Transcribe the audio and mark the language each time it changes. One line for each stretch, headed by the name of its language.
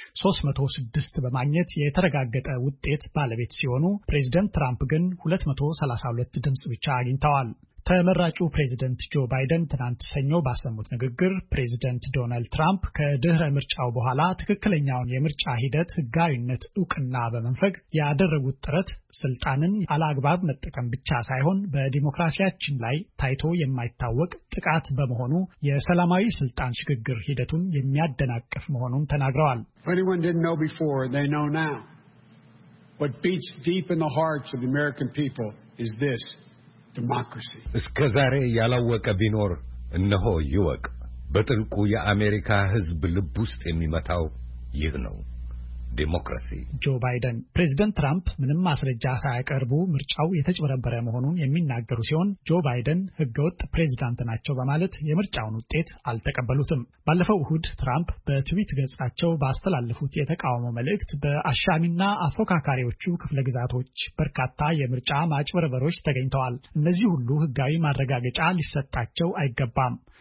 Amharic: 306 በማግኘት የተረጋገጠ ውጤት ባለቤት ሲሆኑ ፕሬዝዳንት ትራምፕ ግን 232 ድምጽ ብቻ አግኝተዋል። ተመራጩ ፕሬዝዳንት ጆ ባይደን ትናንት ሰኞ ባሰሙት ንግግር ፕሬዝዳንት ዶናልድ ትራምፕ ከድህረ ምርጫው በኋላ ትክክለኛውን የምርጫ ሂደት ህጋዊነት ዕውቅና በመንፈግ ያደረጉት ጥረት ስልጣንን አላግባብ መጠቀም ብቻ ሳይሆን በዲሞክራሲያችን ላይ ታይቶ የማይታወቅ ጥቃት በመሆኑ የሰላማዊ ስልጣን ሽግግር ሂደቱን የሚያደናቅፍ መሆኑን ተናግረዋል።
English: Anyone didn't know before, they know now. What beats deep in the hearts of the American people is this. Democracy.
Amharic: እስከ ዛሬ ያላወቀ ቢኖር እነሆ ይወቅ። በጥልቁ የአሜሪካ ህዝብ ልብ ውስጥ የሚመታው ይህ ነው። ዲሞክራሲ። ጆ ባይደን ፕሬዝዳንት ትራምፕ ምንም ማስረጃ ሳይቀርቡ ምርጫው የተጭበረበረ መሆኑን የሚናገሩ ሲሆን ጆ ባይደን ህገወጥ ፕሬዝዳንት ናቸው በማለት የምርጫውን ውጤት አልተቀበሉትም። ባለፈው እሁድ ትራምፕ በትዊት ገጻቸው ባስተላለፉት የተቃውሞ መልእክት በአሻሚና አፎካካሪዎቹ ክፍለ ግዛቶች በርካታ የምርጫ ማጭበርበሮች ተገኝተዋል። እነዚህ ሁሉ ህጋዊ ማረጋገጫ ሊሰጣቸው አይገባም።